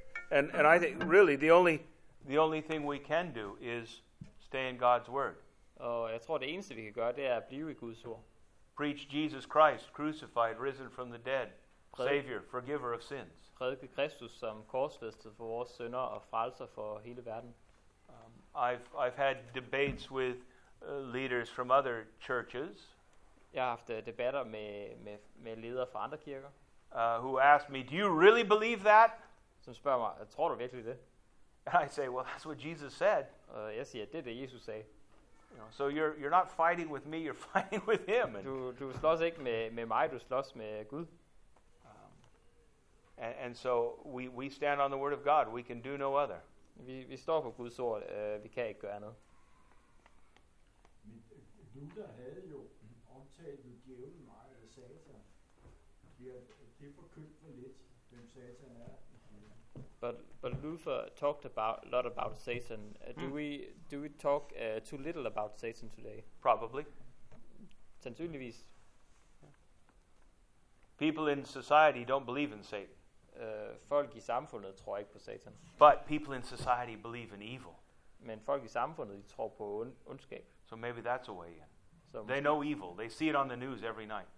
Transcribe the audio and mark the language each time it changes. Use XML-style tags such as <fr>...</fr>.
<en>And I think really the only thing we can do is stay in God's word.</en> <da>Og jeg tror det eneste vi kan gøre, det er at blive i Guds ord.</da> <en>Preach Jesus Christ crucified, risen from the dead, Savior, forgiver of sins.</en> <da>Prædike Kristus som korsfæstet for vores synder og frelser for hele verden.</da> <en>I've had debates with leaders from other churches.</en> <da>Jeg har haft debatter med ledere fra andre kirker.</da> <en>Who asked me, "Do you really believe that?"</en> <da>Som spørger mig, tror du virkelig det?</da> <en>And I say, "Well, that's what Jesus said."</en> <da>Jeg siger, det er det Jesus sagde.</da> <en>So you're not fighting with me, you're fighting with him.</en> <da>Du slås ikke med mig, du slås med Gud.</da> <en>And And so we stand on the word of God. We can do no other.</en> <da>Vi står på Guds ord. Vi kan ikke gøre andet. Men Luther havde jo omtalt med djævlen mig eller Satan. Det er forkyldt for lidt, hvem Satan er.</da> <en>But Luther talked about a lot about Satan. Do we talk too little about Satan today? Probably.</en> <da>Sandsynligvis.</da> <en>People in society don't believe in Satan.</en> <da>Folk i samfundet tror ikke på Satan.</da> <en>But people in society believe in evil.</en> <da>Men folk i samfundet, de tror på ondskab.</da> <en>So maybe that's a way in. So they know evil. They see it on the news every night.</en>